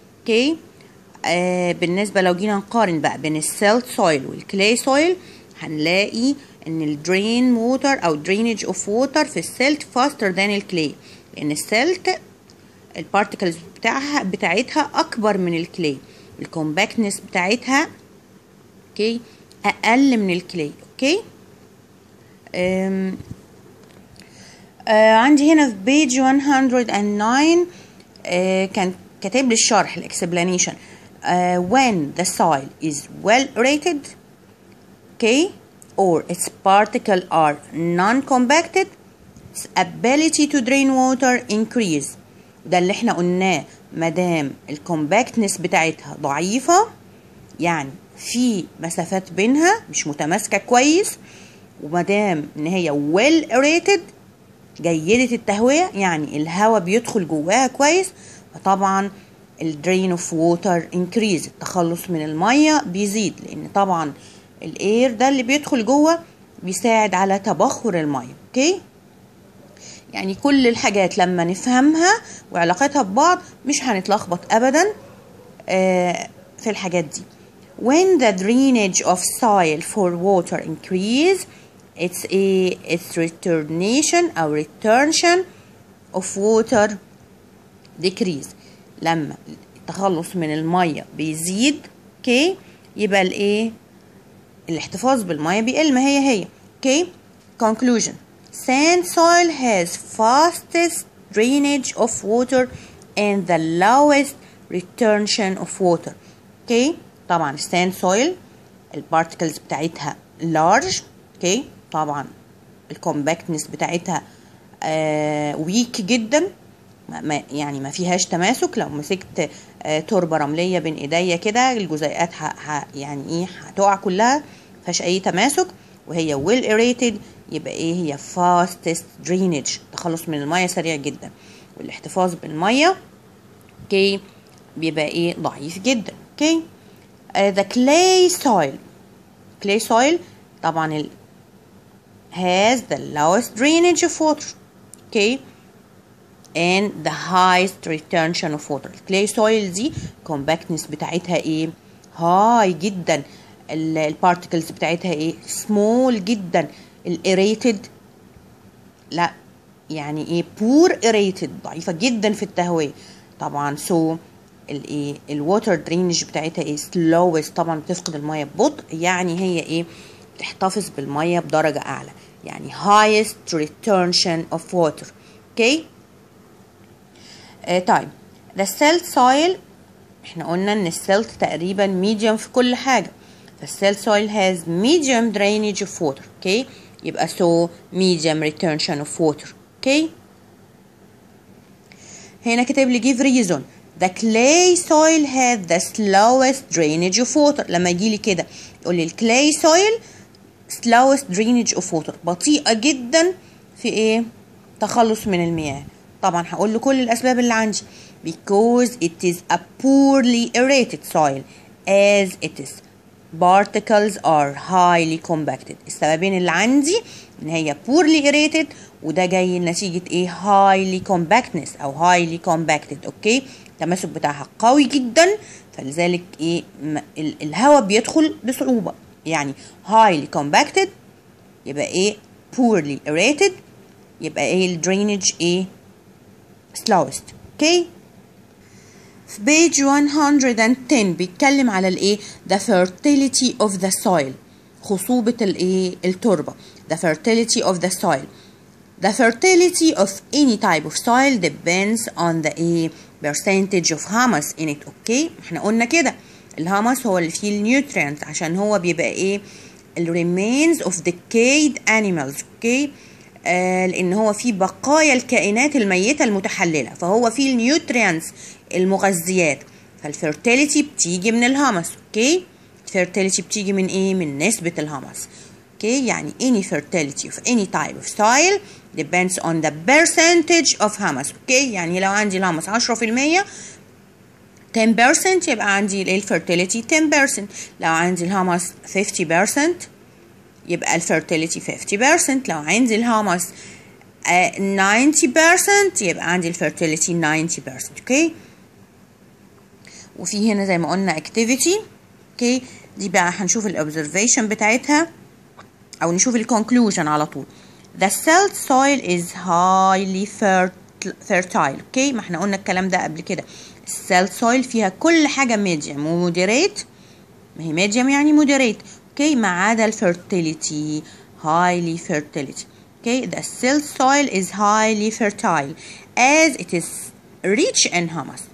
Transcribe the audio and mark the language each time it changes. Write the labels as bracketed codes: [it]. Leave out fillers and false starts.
[ar] okay؟ بالنسبة لو جينا نقارن بقى بين [en] silt soil والclay soil، [ar] هنلاقي ان الدرين ووتر او درينج اوف ووتر في السيلت فاستر دان الكلي، لان السيلت البارتكلز بتاعتها اكبر من الكلي، الكومباكتنس بتاعتها اوكي اقل من الكلي. اوكي، عندي هنا في بيج 109 كان كاتب لي الشرح الاكسبلانيشن. [en] when the soil is well aerated okay or its particles are non-compacted, its ability to drain water increase. [ar] ده اللي احنا قلناه، مدام الكومباكتنس بتاعتها ضعيفة، يعني في مسافات بينها مش متماسكة كويس، ومدام ان هي well aerated جيدة التهوية، يعني الهواء بيدخل جواها كويس، فطبعا ال [en] drain of water increase، [ar] التخلص من المية بيزيد، لان طبعا الاير ده اللي بيدخل جوه بيساعد على تبخر الميه. اوكي، يعني كل الحاجات لما نفهمها وعلاقتها ببعض مش هنتلخبط ابدا في الحاجات دي. [en] when the drainage of soil for water increase it's a its retention or retention of water decrease، [ar] لما التخلص من الميه بيزيد اوكي يبقى الايه الاحتفاظ بالمية بيقل، ما هي هي. [en] okay conclusion sand soil has fastest drainage of water and the lowest retention of water. [ar] okay، طبعا sand soil البارتكلز بتاعتها large، okay طبعا الكومباكتنس بتاعتها weak جدا، يعني ما فيهاش تماسك، لو مسكت تربة رملية بين ايديا كده الجزيئات يعني ايه هتقع كلها، فش اي تماسك، وهي well aerated يبقى ايه هي fastest drainage، تخلص من المية سريع جدا، والاحتفاظ بالمية okay بيبقى ايه ضعيف جدا. [en] okay the clay soil [ar] طبعا [en] has the lowest drainage of water okay and the highest retention of water. [ar] clay soil دي compactness بتاعتها ايه هاي جدا، البارتكلز بتاعتها ايه سمول جدا، الايريتد لا يعني ايه بور ايريتد، ضعيفة جدا في التهوية طبعا. سو الايه الووتر درينج بتاعتها ايه سلوس، طبعا بتفقد المية ببطء، يعني هي ايه بتحتفظ بالمية بدرجة اعلى، يعني [en] highest retention of water. [ar] اوكي، طيب [en] the silt soil [ar] احنا قلنا ان السيلت تقريبا medium في كل حاجة، [en] السيل soil has medium drainage of water okay يبقى so medium retention of water. okay [ar] هنا كتب لي [en] give reason the clay soil has the slowest drainage of water. [ar] لما يجي لي كده يقول لي [en] clay soil slowest drainage of water، [ar] بطيئة جدا في ايه تخلص من المياه، طبعا هقول له كل الاسباب اللي عندي، [en] because it is a poorly aerated soil as it is particles are highly compacted. [ar] السببين اللي عندي ان هي [en] poorly aerated [ar] وده جاي نتيجة ايه [en] highly compactness او highly compacted. [ar] اوكي التماسك بتاعها قوي جدا فلذلك ايه الهواء بيدخل بصعوبة. يعني [en] highly compacted [ar] يبقى ايه [en] poorly aerated [ar] يبقى ايه ال drainage ايه slowest. [en] okay في page 110 [ar] بيتكلم على الايه [en] the fertility of the soil [ar] خصوبة الايه التربة [en] the fertility of the soil. The fertility of any type of soil depends on the percentage of humus in it. [ar] اوكي احنا قلنا كده الهامس هو اللي فيه النيوترينت عشان هو بيبقى ايه ال [en] remains of decayed animals. [ar] اوكي لان هو فيه بقايا الكائنات الميتة المتحللة فهو فيه النيوترينت المغذيات فالفيرتيليتي بتيجي من الهامس. اوكي الفيرتيليتي بتيجي من ايه من نسبة الهامس. اوكي يعني [en] any fertility of any type of soil depends on the percentage of humus. [ar] اوكي يعني لو عندي الهامس 10% 10% يبقى عندي الفيرتيليتي 10% لو عندي الهامس 50% يبقى الفيرتيليتي 50% لو عندي الهامس 90% يبقى عندي الفيرتيليتي 90%. اوكي وفي هنا زي ما قلنا activity. اوكي دي بقى هنشوف الobservation بتاعتها او نشوف الconclusion على طول. [en] The salt soil is highly fertile. [ar] اوكي ما احنا قلنا الكلام ده قبل كده السالت سويل فيها كل حاجة [en] medium moderate [ar] ما هي medium يعني moderate. اوكي ما عدا الفيرتيليتي highly fertility. [en] Okay the salt soil is highly fertile as it is rich in humus.